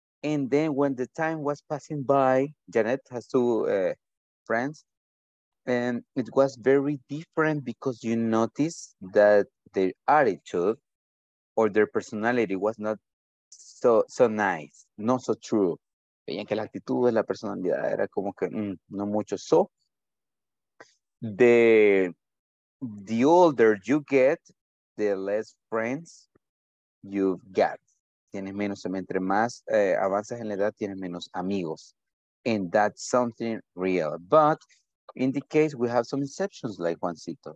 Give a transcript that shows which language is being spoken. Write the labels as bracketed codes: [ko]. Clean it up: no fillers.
[en] And then when the time was passing by, Janet has 2 friends, and it was very different because you noticed that their attitude or their personality was not so nice, not so true. [es] Veían que la actitud de la personalidad era como que no mucho. [en] So the older you get, the less friends you get. [es] Tienes menos, entre más avanzas en la edad, tienes menos amigos. [en] And that's something real. But in the case, we have some exceptions like Juancito.